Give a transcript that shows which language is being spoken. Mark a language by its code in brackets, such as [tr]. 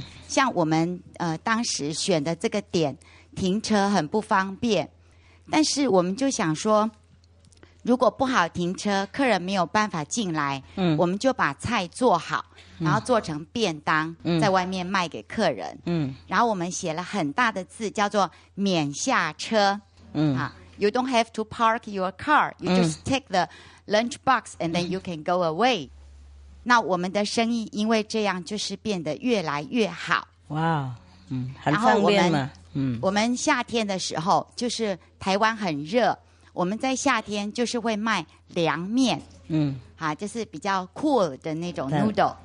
[zh] 像我们， 当时选的这个点， 停车很不方便，但是我们就想说，如果不好停车，客人没有办法进来，我们就把菜做好，然后做成便当，在外面卖给客人。然后我们写了很大的字，叫做免下车。 [en] You don't have to park your car. You just take the lunch box and then you can go away. [zh] 那我们的生意因为这样就是变得越来越好。哇，很方便嘛。我们夏天的时候就是台湾很热，我们在夏天就是会卖凉面，嗯，啊，就是比较 cool 的那种 noodle，